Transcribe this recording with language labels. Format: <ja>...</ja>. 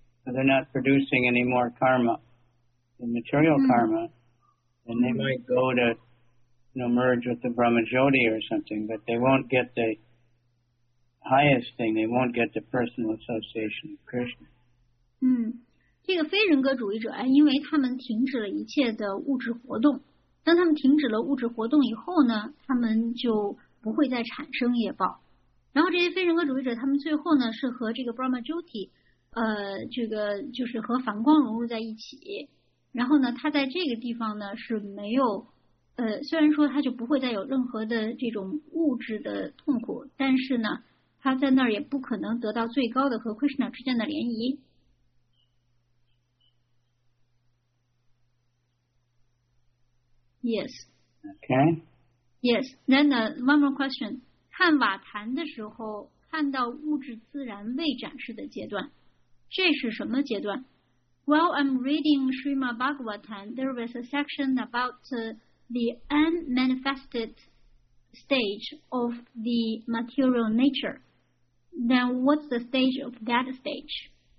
<en>So they're not producing any more karma, the material karma. And they might go to, you know, merge with the Brahmajyoti or something, but they won't get the highest thing, they won't get the personal association of Krishna.</en> <zh>这个非人格主义者，因为他们停止了一切的物质活动，当他们停止了物质活动以后呢，他们就不会再产生业报。然后这些非人格主义者，他们最后呢是和这个 Brahmajyoti， 这个就是和梵光融入在一起。然后呢，他在这个地方呢是没有，虽然说他就不会再有任何的这种物质的痛苦，但是呢，他在那儿也不可能得到最高的和 Krishna 之间的联谊。</zh> <en>Yes. Okay. Yes. Then one more question.</en> <zh>看瓦坛的时候，看到物质自然未展示的阶段，这是什么阶段？</zh> <en>While I'm reading Srimad Bhagavatam, there was a section about the unmanifested stage of the material nature. Then what's the stage of that stage?</en>